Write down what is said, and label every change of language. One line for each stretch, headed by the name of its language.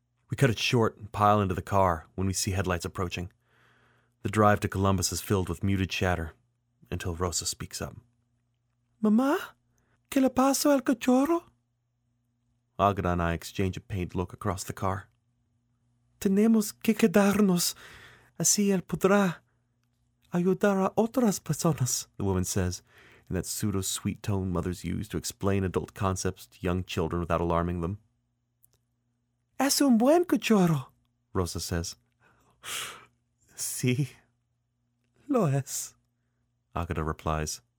English: We cut it short and pile into the car when we see headlights approaching. The drive to Columbus is filled with muted chatter until Rosa speaks up.
Spanish: Mama, ¿qué le pasó al cachorro?
English: Agata and I exchange a pained look across the car.
Spanish: Tenemos que quedarnos, así él podrá ayudar a otras personas,
English: the woman says, in that pseudo-sweet tone mothers use to explain adult concepts to young children without alarming them.
Spanish: Es un buen cachorro,
English: Rosa says.
Spanish: Sí, lo es,
English: Agata replies.